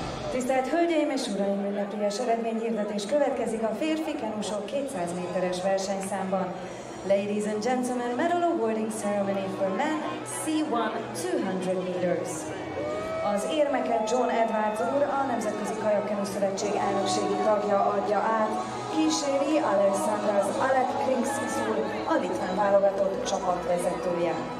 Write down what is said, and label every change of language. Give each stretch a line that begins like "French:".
Hungarian: Tisztelt Hölgyeim és Uraim, ünnepélyes eredményhirdetés következik a férfi kenusok 200 méteres versenyszámban.
English: Ladies and gentlemen, medal awarding ceremony for men, C1 200 meters.
Hungarian: Az érmeket John Edwards úr, a Nemzetközi Kajakkenu Szövetség elnökségi tagja adja át, kíséri Alexandras Alek Krinkszis úr, a litván válogatott csapatvezetője.